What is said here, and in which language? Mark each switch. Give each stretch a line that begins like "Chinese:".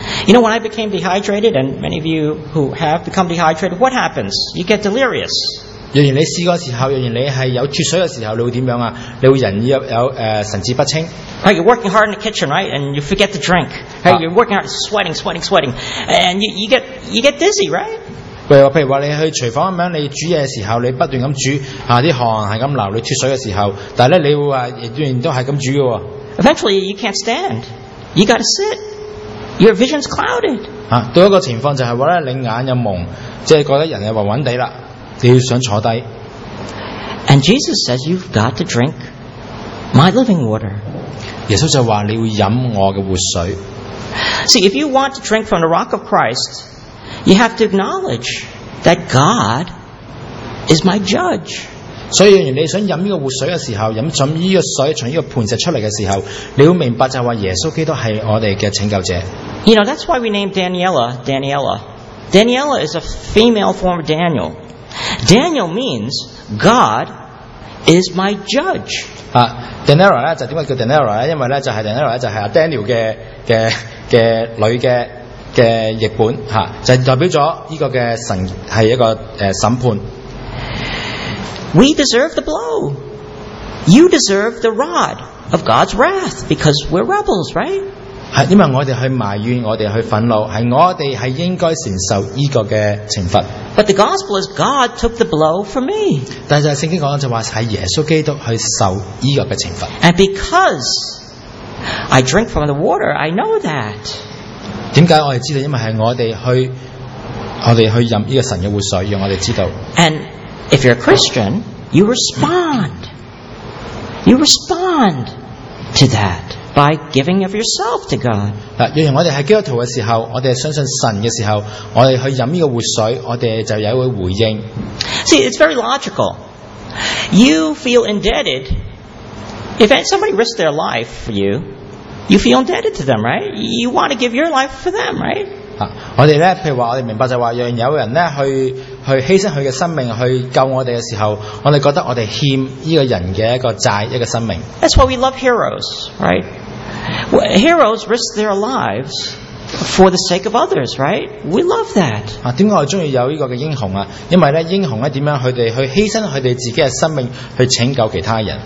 English: You know, when I became dehydrated, and many of you who have become dehydrated, what happens? You get delirious.
Chinese: 若然你试过的时候，若然你是有脱水的时候，你会怎么样啊？你会人有神志不清。
English: Right, you're working hard in the kitchen, right? And you forget to drink. Right, you're working hard, sweating. And you get dizzy, right?
Chinese: 譬如说你去厨房，你煮东西的时候，你不断地煮，汗不断地流，你脱水的时候，但你仍然不断地煮。
English: Eventually, you can't stand. You got to sit. Your vision's clouded.
Chinese: 到一个情况就是说，你眼睛蒙，即是觉得人是晕晕地了，你要想坐下。
English: And Jesus says, you've got to drink my living water.
Chinese: 耶稣就说你会饮我的活水。
English: See, if you want to drink from the rock of Christ, you have to acknowledge that God is my judge.
Chinese: 所以你想饮这个活水的时候，饮这个水从这个盘石出来的时候，你要明白就是耶稣基督是我们的拯救者。
English: You know, that's why we named Daniela Daniela. Daniela is a female form of Daniel. Daniel means God is my judge.
Chinese: Daniela 呢，就为什么叫 Daniela 呢？因为呢，就是 Daniela 就是 Daniel 的女的译本，就代表了这个的神是一个审判。
English: We deserve the blow. You deserve the rod of God's wrath because we're rebels, right?
Chinese: 是因为我们去埋怨，我们去愤怒，是我们是应该承受这个的惩罚。
English: But the gospel is God took the blow for me.
Chinese: 但是圣经讲就话是耶稣基督去受这个的惩罚。
English: And because I drink from the water, I know that.
Chinese: 为什么我们知道？因为是我们去饮这个神的活水，让我们知道。
English: And if you're a Christian, you respond. You respond to that by giving of yourself to God.
Chinese: 若然我们是基督徒的时候，我们相信神的时候，我们去饮这个活水，我们就有一个回应。
English: See, it's very logical. You feel indebted. If somebody risked their life for you, you feel indebted to them, right? You want to give your life for them, right?
Chinese: 我们呢，譬如说我们明白就是说，若有人呢去牺牲他的生命去救我们的时候，我们觉得我们欠这个人的一个债，一个生命。
English: That's why we love heroes, right? Heroes risk their lives for the sake of others, right? We love that.
Chinese: 为什么我喜欢有这个英雄啊？因为呢，英雄呢，怎样他们去牺牲他们自己的生命去拯救其他人。